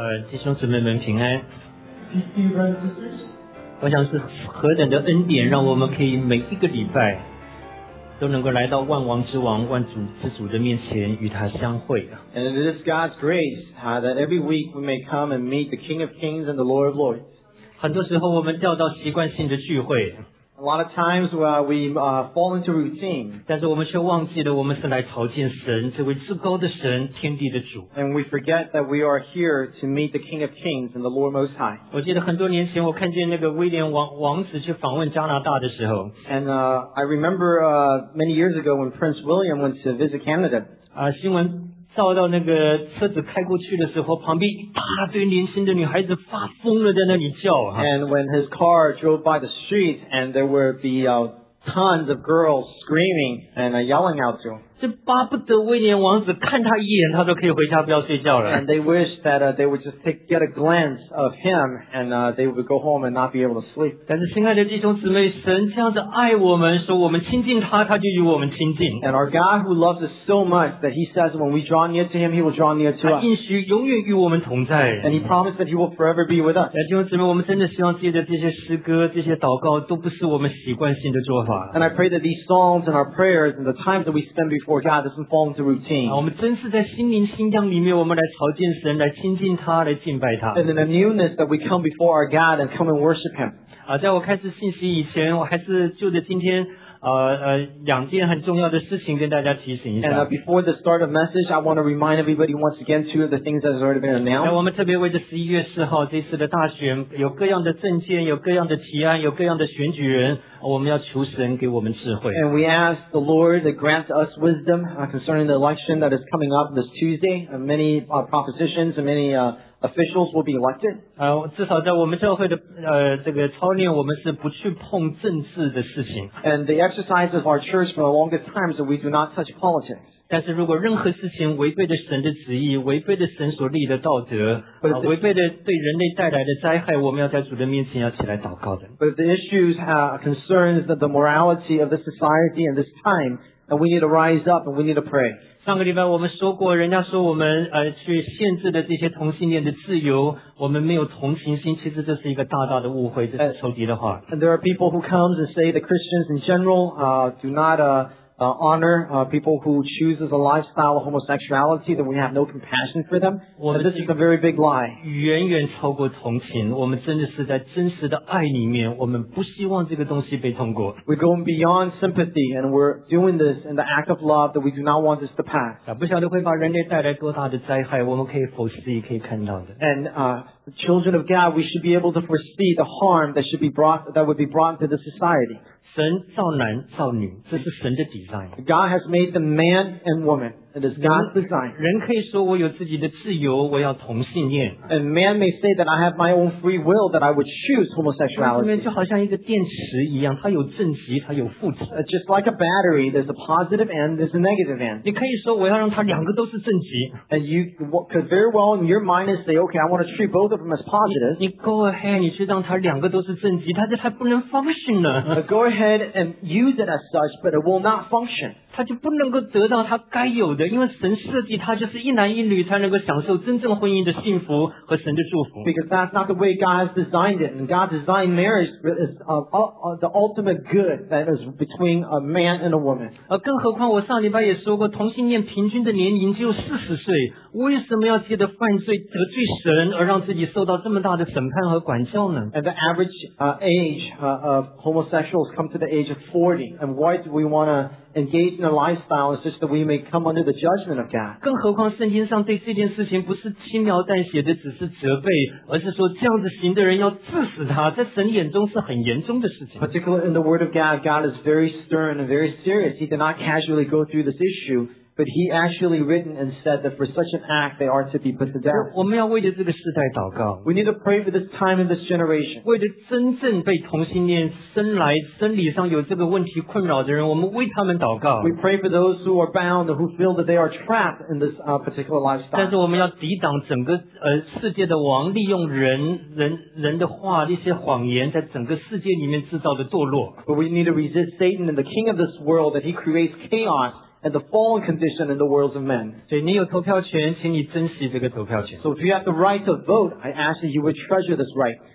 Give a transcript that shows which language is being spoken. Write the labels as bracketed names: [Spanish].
[Chinese] 弟兄姊妹们平安，我想是何等的恩典，让我们可以每一个礼拜都能够来到万王之王、万主之主的面前与他相会。 [English] And it is God's grace, that every week we may come and meet the King of Kings and the Lord of Lords. [Chinese] 很多时候我们掉到习惯性的聚会， [English] A lot of times we fall into routine. [Chinese] 但是我们却忘记了我们是来朝见神，这位至高的神、天地的主。 [English] And we forget that we are here to meet the King of Kings and the Lord Most High. [Chinese] 我记得很多年前我看见那个威廉 王子去访问加拿大的时候。 [English] And I remember many years ago when Prince William went to visit Canada. [Chinese] 新闻照到那个车子开过去的时候，旁边一大堆年轻的女孩子发疯了，在那里叫。 [English] And when his car drove by the street, and there were tons of girls screaming and yelling out to him. [Chinese] 这巴不得威廉王子看他一眼，他都可以回家不要睡觉了。 [English] And they wished that they would just get a glance of him, and they would go home and not be able to sleep. [Chinese] 但是亲爱的弟兄姊妹，神这样子爱我们，说我们亲近他，他就与我们亲近。 [English] And our God who loves us so much that he says when we draw near to him, he will draw near to us. [Chinese] 他应许永远与我们同在。 [English] And he promised that he will forever be with us. [Chinese] 弟兄姊妹，我们真的希望自己的这些诗歌、这些祷告都不是我们习惯性的做法。 [English] And I pray that these songs and our prayers and the times that we spend before God doesn't fall into routine. [Chinese] 我们真是在心灵馨香里面，我们来朝见神，来亲近他，来敬拜他。 [English] And in the newness that we come before our God and come and worship Him. [Chinese] 在我开始信息以前，我还是就着今天两件很重要的事情跟大家提醒一下。 [English] And before the start of message, I want to remind everybody once again two of the things that has already been announced. [Chinese] 我们特别为这11月4号这次的大选，有各样的政见，有各样的提案，有各样的选举人。我们要求神给我们智慧。 [English] And we ask the Lord to grant us wisdom concerning the election that is coming up this Tuesday. Many propositions and many officials will be elected. [Chinese] 至少在我们教会的这个操练，我们是不去碰政治的事情。 [English] And the exercise of our church for the longest time is that we do not touch politics. [Chinese] 但是如果任何事情违背了神的旨意，违背了神所立的道德，违背了对人类带来的灾害，我们要在主的面前要起来祷告的。 [English] But if the issues concerns the morality of the society in this time, then we need to rise up and we need to pray. [Chinese] 上个礼拜我们说过，人家说我们去限制了这些同性恋的自由，我们没有同情心，其实这是一个大大的误会，这是仇敌的话。 [English] And there are people who come and say that Christians in general do not honor people who choose a lifestyle of homosexuality, that we have no compassion for them. And this is a very big lie. [Chinese] 远远超过同情，我们真的是在真实的爱里面，我们不希望这个东西被通过。 [English] We're going beyond sympathy, and we're doing this in the act of love that we do not want this to pass. [Chinese] 不晓得会把人类带来多大的灾害，我们可以否视，可以看到的。 [English] And children of God, we should be able to foresee the harm that would be brought to the society. [Chinese] 神造男造女，这是神的 design. [English] God has made the man and woman. It is God's design. [Chinese] 人可以说我有自己的自由，我要同性恋。 [English] And man may say that I have my own free will, that I would choose homosexuality. [Chinese] 就好像一个电池一样，它有正极，它有负极。 [English] Just like a battery, there's a positive end, there's a negative end. [Chinese] 你可以说我要让它两个都是正极。 [English] And you could very well in your mind say, okay, I want to treat both of them as positive. [Chinese] 你 [English] go ahead, [Chinese] 你去让它两个都是正极，但是它不能 function 呢。 [English] Go ahead. Head and use it as such, but it will not function. [Chinese] 他就不能够得到他该有的，因为神设计他就是一男一女才能够享受真正婚姻的幸福和神的祝福。 [English] Because that's not the way God has designed it, and God designed marriage as the ultimate good that is between a man and a woman. [Chinese] 更何况我上礼拜也说过，同性恋平均的年龄只有40岁，为什么要借着犯罪得罪神而让自己受到这么大的审判和管教呢？ [English] And the average age of homosexuals. Come to the age of 40, and why do we want to engage in a lifestyle such that we may come under the judgment of God? [Chinese] 更何况圣经上对这件事情不是轻描淡写的只是责备，而是说这样子行的人要致死他，在神眼中是很严重的事情。 [English] Particularly in the Word of God, God is very stern and very serious. He did not casually go through this issue. but he actually written and said that for such an act they are to be put to death. [Chinese] 我们要为着这个时代祷告。 [English] We need to pray for this time and this generation. [Chinese] 为着真正被同性恋生理上有这个问题困扰的人，我们为他们祷告。 [English] We pray for those who are bound or who feel that they are trapped in this particular lifestyle. [Chinese] 但是我们要抵挡整个世界的王利用人的话，一些谎言在整个世界里面制造的堕落。 [English] But we need to resist Satan and the king of this world that he creates chaos and the fallen condition in the worlds of men. [Chinese] 对，你有投票权，请你珍惜这个投票权。 [English] So if you have the right to vote, I ask that you would treasure this right.